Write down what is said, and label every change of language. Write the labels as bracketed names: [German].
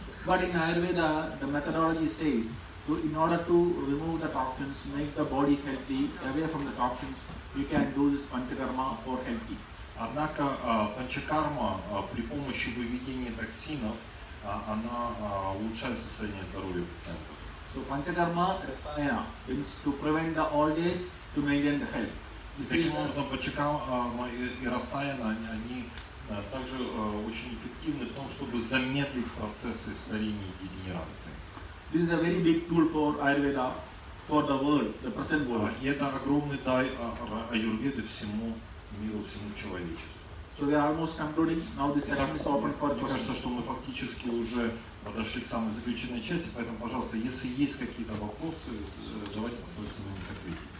[English] But in Ayurveda, the methodology says, so in order to remove the toxins, make the body healthy, away from the toxins, you can do this panchakarma for healthy. [Russian] Однако панчакарма при помощи выведения токсинов, она улучшает состояние здоровья пациента. [English] So panchakarma rasayana means to prevent the old age, to maintain the health. [Russian] Таким образом, панчакарма и расаяна, они также очень эффективны в том, чтобы замедлить процессы старения и дегенерации. [English] This is a very big tool for Ayurveda, for the world, the present world. [Russian] И это огромный дар Аюрведы всему миру, всему человечеству. [English] So we are almost concluding. Now this session is open for questions. [Russian] Мне кажется, что мы фактически уже подошли к самой заключительной части, поэтому, пожалуйста, если есть какие-то вопросы, давайте постараемся на них ответить.